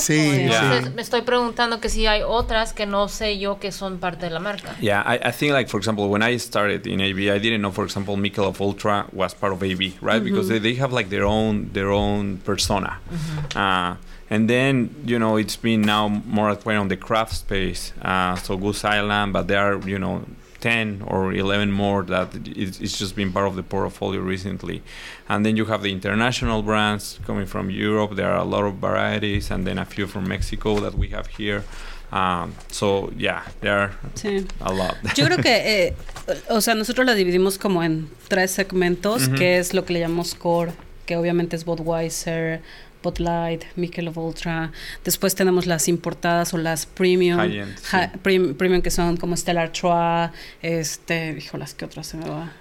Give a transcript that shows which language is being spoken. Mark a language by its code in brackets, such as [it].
[es] Sí, entonces me estoy preguntando que si hay otras que no sé yo que son parte de la marca. [en] Yeah, I think like, for example, when I started in AB, I didn't know, for example, Michelob Ultra was part of AB, right? Mm-hmm. Because they have like their own persona. Mm-hmm. And then, you know, it's been now more acquired on the craft space. So Goose Island, but there are, you know, 10 or 11 more that it's just been part of the portfolio recently. And then you have the international brands coming from Europe. There are a lot of varieties, and then a few from Mexico that we have here. There are a lot. [es] Yo creo que, o sea, nosotros la dividimos como en tres segmentos, mm-hmm. que es lo que le llamamos core, que obviamente es Budweiser, Bud Light, Michelob Ultra. Después tenemos las importadas o las premium. Premium que son como Stella Artois, híjolas, ¿qué otras se me va?